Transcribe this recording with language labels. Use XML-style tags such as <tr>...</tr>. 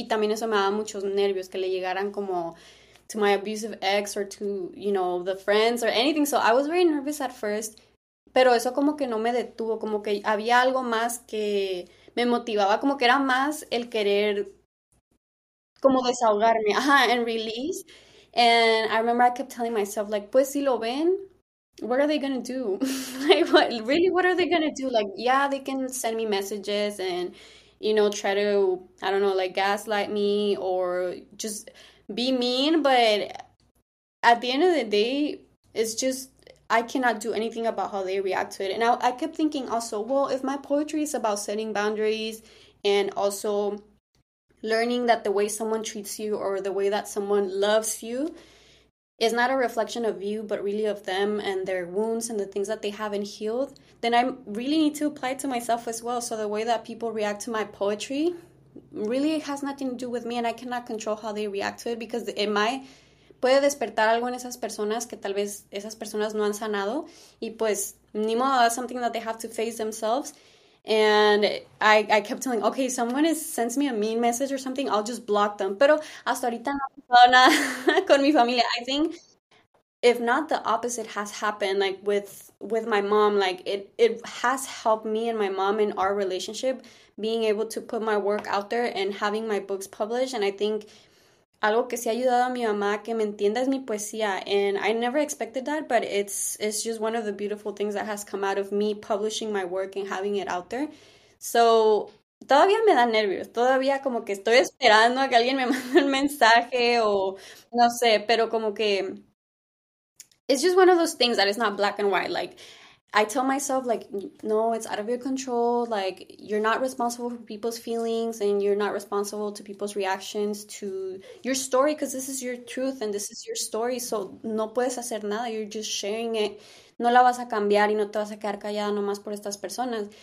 <es>Y también eso me daba muchos nervios que le llegaran como</es> <en>to my abusive ex or to, you know, the friends or anything. So I was very nervous at first,</en> <es>pero eso como que no me detuvo, como que había algo más que me motivaba, como que era más el querer como desahogarme,</es> <en>and release. And I remember I kept telling myself, like,</en> <es>pues si lo ven,</es> <en>what are they gonna do? Like, what really, what are they gonna do? Like, yeah, they can send me messages and, you know, try to, I don't know, like gaslight me or just be mean. But at the end of the day, it's just, I cannot do anything about how they react to it. And I kept thinking also, well, if my poetry is about setting boundaries and also learning that the way someone treats you or the way that someone loves you is not a reflection of you, but really of them and their wounds and the things that they haven't healed, then I really need to apply it to myself as well. So the way that people react to my poetry really it has nothing to do with me and I cannot control how they react to it because it might</en> <es>puede despertar algo en esas personas que tal vez esas personas no han sanado y pues ni modo,</es> <en>that's something that they have to face themselves. And I kept telling, okay, someone is sends me a mean message or something, I'll just block them.</en> <es>Pero hasta ahorita no ha pasado nada con mi familia.</es> <en>I think if not the opposite has happened, like with my mom, like it has helped me and my mom in our relationship being able to put my work out there and having my books published. And I think</en> <es>Algo que sí ha ayudado a mi mamá que me entienda es mi poesía.</es> <en>And I never expected that, but it's just one of the beautiful things that has come out of me publishing my work and having it out there.</en> <es>So todavía me da nervios. Todavía como que estoy esperando a que alguien me mande un mensaje o no sé, pero como que</es> <en>it's just one of those things that is not black and white. Like, I tell myself, like, no, it's out of your control. Like, you're not responsible for people's feelings and you're not responsible to people's reactions to your story because this is your truth and this is your story.</en> <es>So no puedes hacer nada.</es> <en>You're just sharing it.</en> <es>No la vas a cambiar y no te vas a quedar callada nomás por estas personas.</es>